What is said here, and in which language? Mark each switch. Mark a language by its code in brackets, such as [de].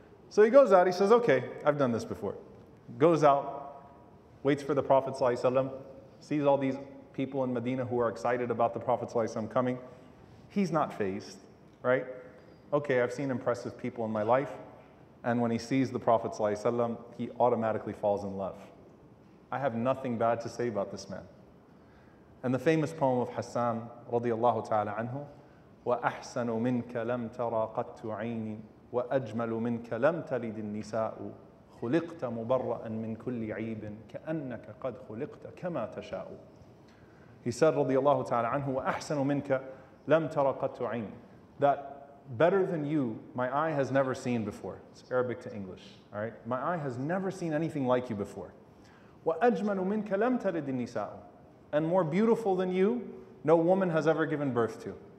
[en] So he goes out, he says, okay, I've done this before. Goes out, waits for the Prophet ﷺ, sees all these people in Medina who are excited about the Prophet ﷺ coming. He's not fazed, right? Okay, I've seen impressive people in my life. And when he sees the Prophet ﷺ, he automatically falls in love. I have nothing bad to say about this man. And the famous poem of Hassan radiallahu ta'ala anhu, [ar] وَأَحْسَنُ مِنْكَ لَمْ تَرَى قَتُّ عَيْنِ وَأَجْمَلُ مِنْكَ لَمْ تَلِدِ النِّسَاءُ خُلِقْتَ مُبَرَّأً مِنْ كُلِّ عَيْبٍ كَأَنَّكَ قَدْ خُلِقْتَ كَمَا تَشَاءُ. [en] He said radiallahu ta'ala anhu, [ar] وَأَحْسَنُ مِنْكَ لَمْ تَرَى قَتُّ عَيْنِ, [en] that better than you, my eye has never seen before. It's Arabic to English, all right? My eye has never seen anything like you before. [ar] وَأَجْمَلُ مِنْكَ لَمْ تَلِدِ النِّسَاءُ, [en] and more beautiful than you, no woman has ever given birth to.